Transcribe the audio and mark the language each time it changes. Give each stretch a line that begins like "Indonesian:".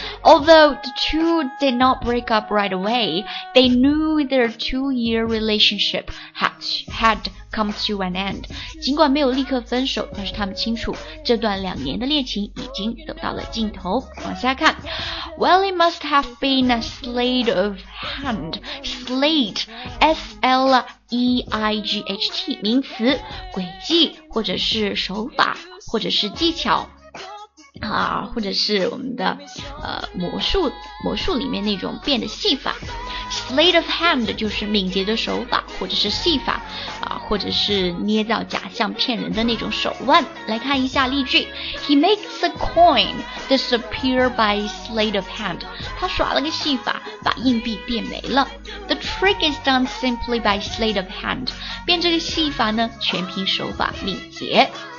English: Although the two did not break up right away, they knew their two-year relationship had come to an end.
Chinese: 尽管没有立刻分手，但是他们清楚这段两年的恋情已经走到了尽头。往下看。
English: Well, it must have been a sleight of hand.
Chinese: Sleight, S-L-E-I-G-H-T, 名词，诡计或者是手法或者是技巧。啊，或者是我们的魔术里面那种变的戏法 ，sleight of hand 就是敏捷的手法，或者是戏法，啊，或者是捏造假象骗人的那种手腕。来看一下例句
English: ，He makes a coin disappear by sleight of hand。
Chinese: 他耍了个戏法，把硬币变没了。
English: The trick is done simply by sleight of hand。
Chinese: 变这个戏法呢，全凭手法敏捷。